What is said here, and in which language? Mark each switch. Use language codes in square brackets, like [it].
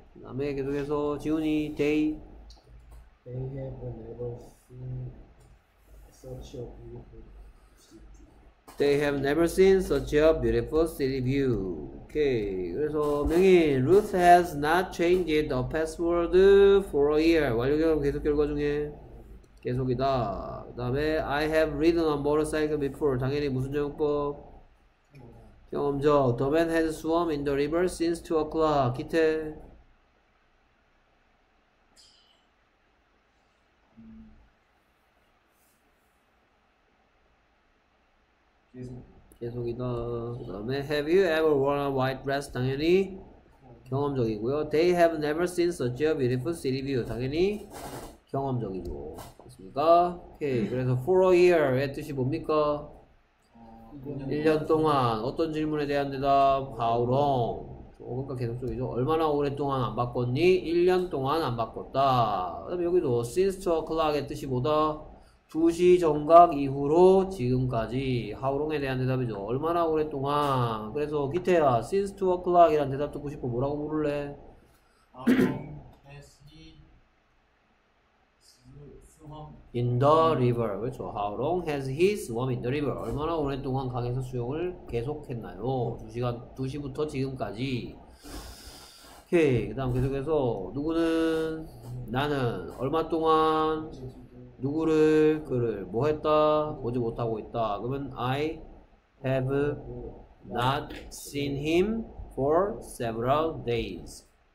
[ko] 그 다음에 계속해서 지훈이 데이. [en] They have never seen such a beautiful city. They have never seen such a beautiful city view. Okay. [ko] 그래서 [en] 명인 Ruth has not changed the password for a year. [ko] 완료형 계속 결과 중에 계속이다. [en] 그 다음에 I have ridden a motorcycle before. [ko] 당연히 무슨 정용법? 경험적. [en] The man has swum in the river since 2 o'clock. [ko] 기태. [en] Have you ever worn a white dress? [ko] 당연히 경험적이고요. [en] They have never seen such a beautiful city view. [ko] 당연히 경험적이고 맞습니까? Okay. 그래서 for a year의 뜻이 뭡니까? 1년 동안 어떤 질문에 대한 대답? [en] How long? [ko] 그러니까 계속적이죠. 얼마나 오랫동안 안 바꿨니? 1년 동안 안 바꿨다. 그다음에 여기도 since 2 o'clock의 뜻이 뭐다? 2시 정각 이후로 지금까지. How long에 대한 대답이죠. 얼마나 오랫동안. 그래서 기태야 since 2 o'clock 이란 대답 듣고 싶어. 뭐라고 부를래? [en] How long has he swum in the river. [ko] 그렇죠. [en] How long has he swum in the river. [ko] 얼마나 오랫동안 강에서 수영을 계속했나요. 2시간 2시부터 지금까지. 오케이. 그 다음 계속해서 누구는 나는 얼마 동안 누구를 그를 뭐 했다 보지 못하고 있다. 그러면 [en] I have not seen him for several days.